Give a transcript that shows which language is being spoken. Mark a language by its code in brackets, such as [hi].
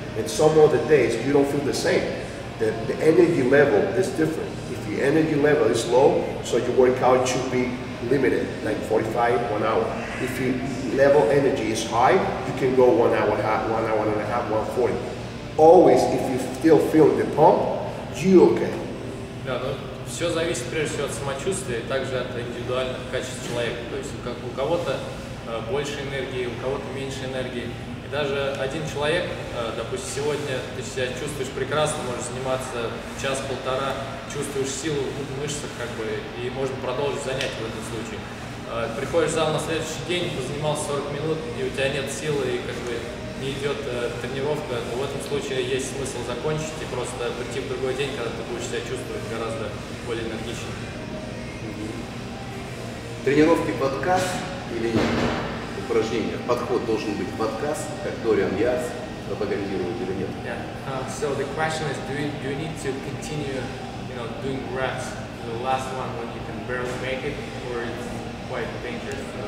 [en] And some other days you don't feel the same. The energy level is different. If your energy level is low, so your workout should be limited, like 45, 1 hour. If your level energy is high, you can go 1 hour, 1.5 hours, 1:40. Always, if you still feel the pump, you're okay. [ru] Да, ну, все зависит прежде всего от самочувствия, также от индивидуальных качеств человека. То есть как у кого-то больше энергии, у кого-то меньше энергии. Даже один человек, допустим, сегодня ты себя чувствуешь прекрасно, можешь заниматься час-полтора, чувствуешь силу в мышцах, как бы, и можно продолжить занятие в этом случае. Приходишь в зал на следующий день, позанимался 40 минут, и у тебя нет силы, и как бы не идет тренировка, то в этом случае есть смысл закончить и просто прийти в другой день, когда ты будешь себя чувствовать гораздо более энергичнее. Тренировки под каз или нет? Подход должен быть под каз, как Дориан Яц пропагандирует или нет? [en] So the question is, do you need to continue, you know, doing reps, the last one when you can barely make it, or it's quite dangerous?